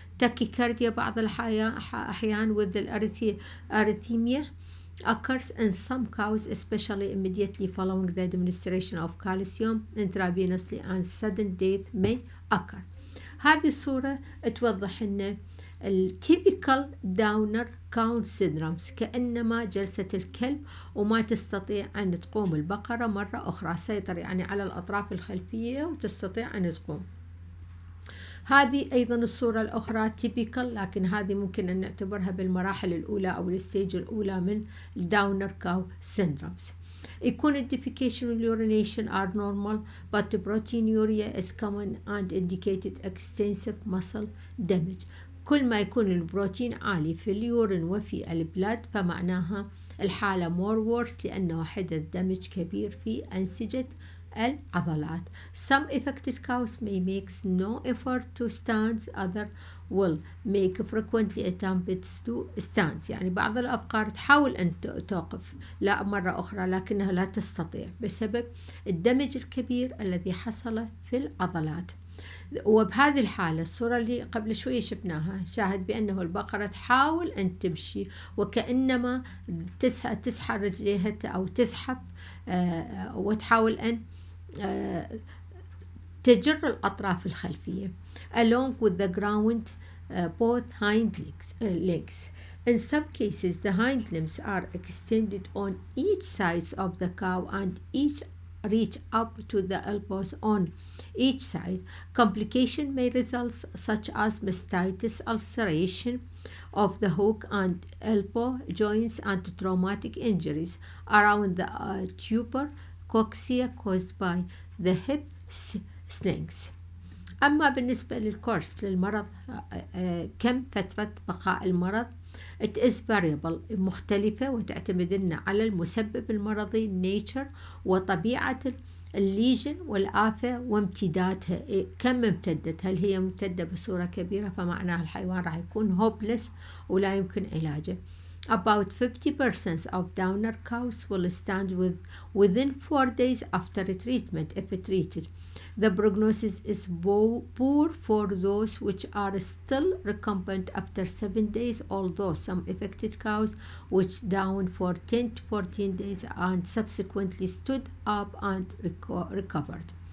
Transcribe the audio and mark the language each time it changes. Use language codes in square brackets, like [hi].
[en] Tachycardia [ar] بعض الأحيان [en] with the arrhythmia occurs in some cows, especially immediately following the administration of calcium intravenously, and sudden death may occur. [ar] هذه الصورة توضح لنا التيبيكال داونر كاوس سيندرومز، كأنما جلسة الكلب وما تستطيع أن تقوم البقرة مرة أخرى، سيطر يعني على الأطراف الخلفية وتستطيع أن تقوم. هذه أيضا الصورة الأخرى تيبيكال، لكن هذه ممكن أن نعتبرها بالمراحل الأولى أو الستيج الأولى من داونر كاوس سيندرومز. [en] Econodification and urination are normal, but the proteinuria is common and indicated extensive muscle damage. [ar] كل ما يكون البروتين عالي في اليورين وفي البلاد فمعناها الحالة [en] more worse [ar] لأنه حدث دمج كبير في أنسجة العضلات. [en] Some affected cows may make no effort to stand, other will make frequently attempts to stand. [ar] يعني بعض الأبقار تحاول أن توقف لا مرة أخرى لكنها لا تستطيع بسبب الدمج الكبير الذي حصل في العضلات. وبهذه الحالة الصورة اللي قبل شوية شفناها شاهد بأنه البقرة تحاول أن تمشي وكأنما تسحب رجليها أو تسحب وتحاول أن تجر الأطراف الخلفية [en] along with the ground both hind legs. In some cases the hind limbs are extended on each sides of the cow and each reach up to the elbows on each side. Complication may result such as mastitis, ulceration of the hook and elbow joints and traumatic injuries around the tubercoxia caused by the hip slings. [ar] أما بالنسبة للكورس للمرض كم فترة بقاء المرض [en] It is variable [ar] مختلفة وتعتمد على المسبب المرضي nature وطبيعة الليجن والآفة وامتدادها كم امتدت هل هي ممتدة بصورة كبيرة فمعناها الحيوان راح يكون hopeless ولا يمكن علاجه [en] About 50% of downer cows will stand within 4 days after a treatment if treated. The prognosis is poor for those which are still recumbent after 7 days, although some affected cows which down for 10 to 14 days and subsequently stood up and recovered.